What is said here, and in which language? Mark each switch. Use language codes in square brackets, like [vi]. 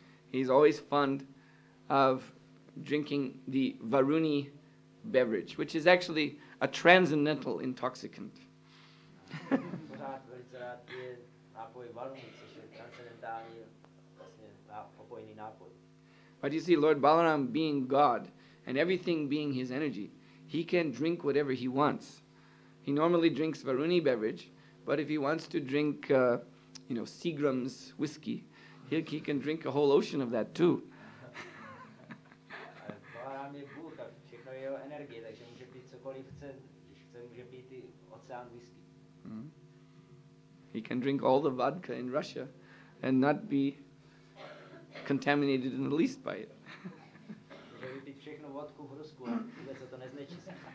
[en] He's always fond of drinking the Varuni beverage, which is actually a transcendental intoxicant. [cs] Pořád velice rád pije nápoj Varuni, což je transcendentální opojný nápoj. [en] But you see, Lord Balaram being God and everything being his energy, he can drink whatever he wants. He normally drinks Varuni beverage, but if he wants to drink, you know, Seagram's whiskey, he can drink a whole ocean of that too. [cs] Balaram je Bůh a všechno je jeho energie, takže může pít cokoliv chce, když chce, může pít i oceán whisky. [en] He can drink all the vodka in Russia and not be contaminated in the least by it. [cs] Může pít všechno vodku v Rusku a vůbec se to neznečistí.